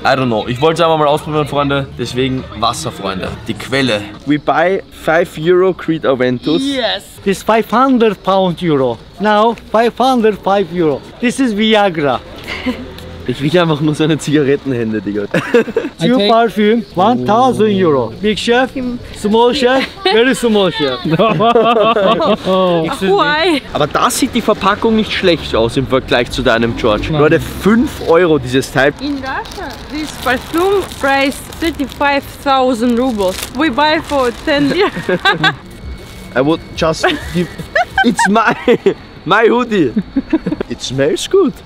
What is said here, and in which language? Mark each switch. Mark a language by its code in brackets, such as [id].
[en] I don't know. [de] Ich wollte es einfach mal ausprobieren, Freunde. Deswegen Wasser, Freunde. Die Quelle. [en] We buy 5 Euro Creed Aventus. Yes. This 500 pound Euro. Now 505 Euro. This is Viagra. [de] Ich rieche einfach nur seine Zigarettenhände, Digga. [en] Two parfum, 1000 Euro. Big chef, small chef, very small chef. Why? [de] Aber da sieht die Verpackung nicht schlecht aus im Vergleich zu deinem, George. Nein. Leute, 5 Euro dieses Teil. [en] In Russia, this perfume price 35,000 rubles. We buy for 10 years. I would just give... It's my... My hoodie! It smells good!